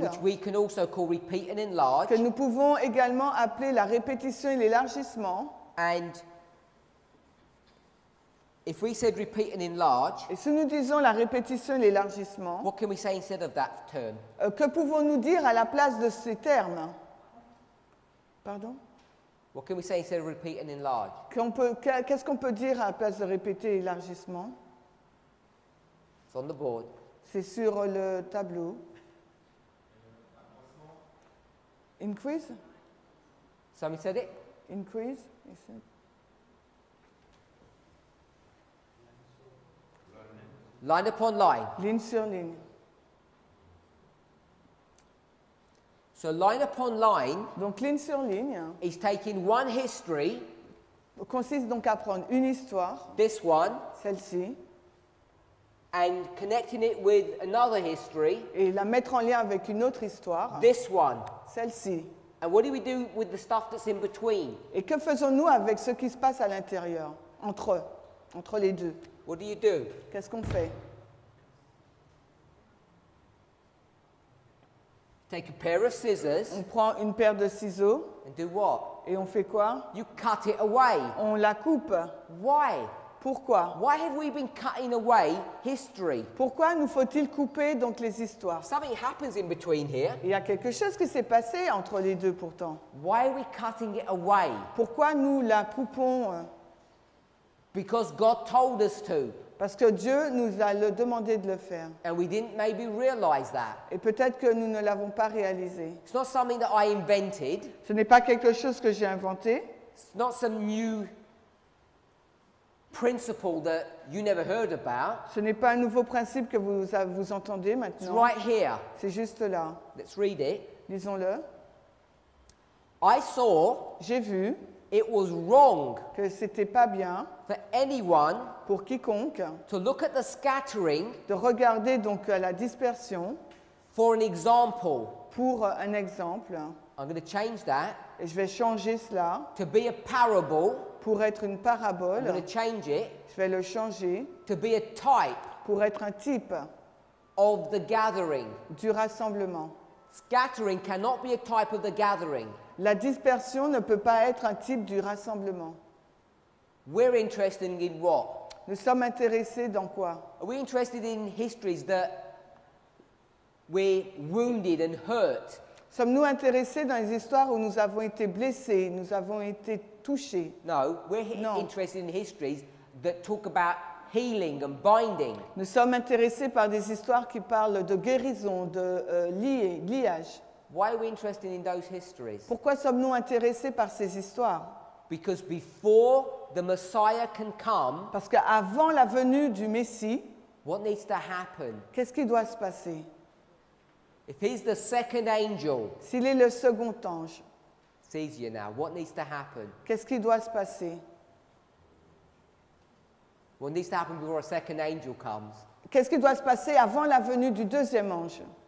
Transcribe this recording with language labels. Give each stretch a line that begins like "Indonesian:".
English: which we can also call repeat and enlarge,
French: que nous pouvons également appeler la répétition et l'élargissement,
English: and if we said repeat and enlarge,
French: et si nous disons la répétition et l'élargissement,
English: what can we say instead of that term?
French: Que pouvons-nous dire à la place de ces termes? Pardon?
English: What can we say instead of repeat and enlarge?
French: Qu'est-ce qu'on peut dire à la place de répéter et élargissement?
English: It's on the board.
French: C'est sur le tableau.
English: Increase? Somebody said it? Increase? Line upon line.
French: Ligne sur ligne.
English: So line upon line.
French: Donc ligne sur ligne.
English: Is taking one history.
French: Consiste donc à prendre une histoire.
English: This one.
French: Celle-ci.
English: And connecting it with another history.
French: Et la mettre en lien avec une autre histoire.
English: This one.
French: Celle-ci.
English: And what do we do with the stuff that's in between?
French: Et que faisons-nous avec ce qui se passe à l'intérieur, entre les deux?
English: What do you do?
French: Qu'est-ce qu'on fait?
English: Take a pair of scissors.
French: On prend une paire de ciseaux.
English: And do what?
French: Et on fait quoi?
English: You cut it away.
French: On la coupe.
English: Why?
French: Pourquoi?
English: Why have we been cutting away history?
French: Pourquoi nous faut-il couper donc les histoires?
English: Something happens in between here.
French: Il y a quelque chose qui s'est passé entre les deux pourtant.
English: Why are we cutting it away?
French: Pourquoi nous la coupons?
English: Because God told us to.
French: Parce que Dieu nous a demandé de le faire.
English: And we didn't maybe realize that.
French: Et peut-être que nous ne l'avons pas réalisé.
English: It's not something that I invented.
French: Ce n'est pas quelque chose que j'ai inventé.
English: It's not some new principle that you never heard about.
French: Ce n'est pas un nouveau principe que vous entendez maintenant.
English: It's right here.
French: C'est juste là.
English: Let's read it.
French: Lisons-le.
English: I saw.
French: J'ai vu.
English: It was wrong.
French: Que c'était pas bien.
English: For anyone.
French: Pour quiconque.
English: To look at the scattering.
French: De regarder donc à la dispersion.
English: For an example.
French: Pour un exemple.
English: I'm going to change that.
French: Et je vais changer cela.
English: To be a parable.
French: Pour être une parabole,
English: I'm going to change it,
French: je vais le changer.
English: To be a type,
French: pour être un type
English: of the gathering,
French: du rassemblement.
English: Scattering cannot be a type of the gathering.
French: La dispersion ne peut pas être un type du rassemblement.
English: We're interested in what?
French: Nous sommes intéressés dans quoi?
English: Are we interested in histories that we're wounded and hurt?
French: Sommes-nous intéressés dans les histoires où nous avons été blessés, nous avons été touchés?
English: No, we're interested in histories that talk about healing and binding.
French: Nous sommes intéressés par des histoires qui parlent de guérison, de liage.
English: Why are we interested in those histories?
French: Pourquoi sommes-nous intéressés par ces histoires?
English: Because before the Messiah can come,
French: parce qu'avant la venue du Messie,
English: what needs to happen?
French: Qu'est-ce qui doit se passer?
English: If he's the second angel,
French: s'il est le second ange,
English: it's easier now. What needs to happen?
French: Qu'est-ce qui doit se passer?
English: What needs to happen before a second angel comes?
French: Qu'est-ce qui doit se passer avant la venue du deuxième ange?